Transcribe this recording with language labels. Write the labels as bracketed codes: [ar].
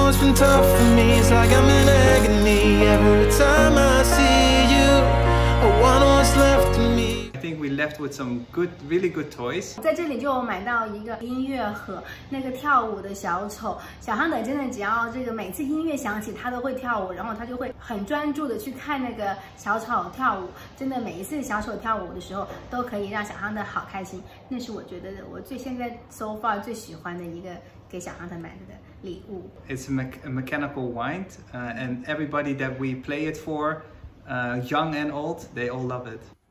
[en] Tough for me, it's like I'm in agony every time I see you. I want what's left. Left with some good, really good toys. [zh] 在这里就有买到一个音乐盒，那个跳舞的小丑小亨德，真的只要这个每次音乐响起，他都会跳舞，然后他就会很专注的去看那个小丑跳舞。真的每一次小丑跳舞的时候，都可以让小亨德好开心。那是我觉得我最现在 [en] so far [zh] 最喜欢的一个给小亨德买的礼物。 [en] It's a mechanical wind, and everybody that we play it for, young and old, they all love it.